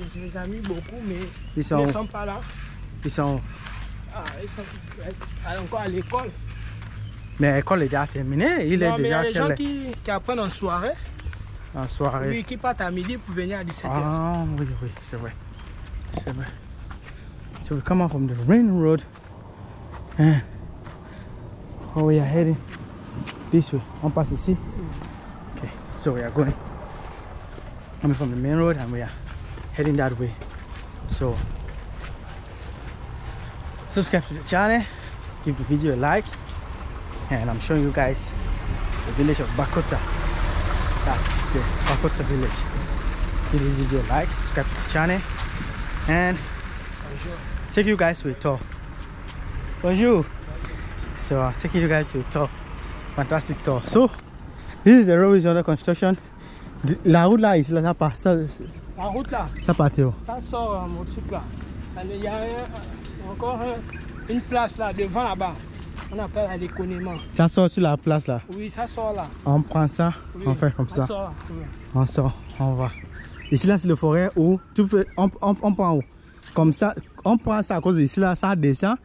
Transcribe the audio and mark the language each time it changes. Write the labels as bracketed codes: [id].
[fr] mes amis beaucoup, mais ils sont, ne sont pas là. Ils sont où? Ah, ils sont encore à l'école. Mais l'école est déjà terminée. Qui apprennent en soirée. En soirée. Oui, qui partent à midi pour venir à 17h. Ah, oui, c'est vrai. C'est vrai. [en] So we come out from the main road. Oh, we are heading this way. [fr] On passe ici. [en] Okay, so we are going. I'm from the main road and we are heading that way. So, subscribe to the channel, give the video a like, and I'm showing you guys the village of Bakota. That's the Bakota village. Give the video a like, subscribe to the channel, and take you guys to a tour. Bonjour. So, I'm taking you guys to a tour. Fantastic tour. So, this is the road is under construction. [fr] La route là, ici, là, ça part. Ça, la route là. Ça part, où? Ça sort, mon truc là. Allez, il y a encore une place là devant là-bas. On appelle à l'économie. Ça sort sur la place là. Oui, ça sort là. On prend ça, oui. On fait comme ça. On sort là. Oui. On sort, on va. Ici là c'est le forêt où tout peut, on prend où? Comme ça, on prend ça à cause ici là, ça descend.